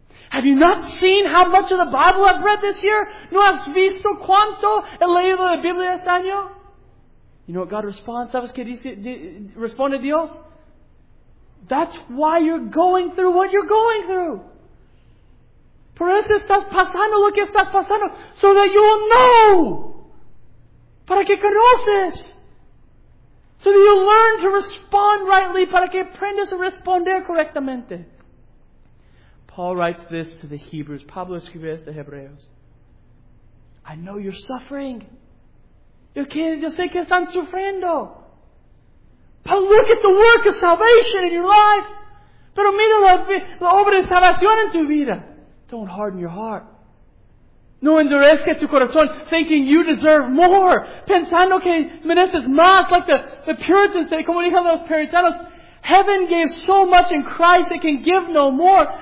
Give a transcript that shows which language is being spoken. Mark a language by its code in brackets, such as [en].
[en] Have you not seen how much of the Bible I've read this year? [es] ¿No has visto cuánto he leído la Biblia este año? [en] You know what God responds? [es] ¿Sabes qué dice, responde Dios? [en] That's why you're going through what you're going through. [es] Por eso estás pasando lo que estás pasando. [en] So that you will know. [es] Para que conoces. [en] So that you learn to respond rightly. [es] Para que aprendas a responder correctamente. [en] Paul writes this to the Hebrews. [es] Pablo escribe esto a Hebreos. [en] I know you're suffering. [es] Yo sé que están sufriendo. [en] But look at the work of salvation in your life. [es] Pero mira la obra de salvación en tu vida. [en] Don't harden your heart. [es] No endurezca tu corazón [en] thinking you deserve more. [es] Pensando que mereces más. [en] Like the Puritans say, [es] como dijeron los puritanos, [en] heaven gave so much in Christ it can give no more.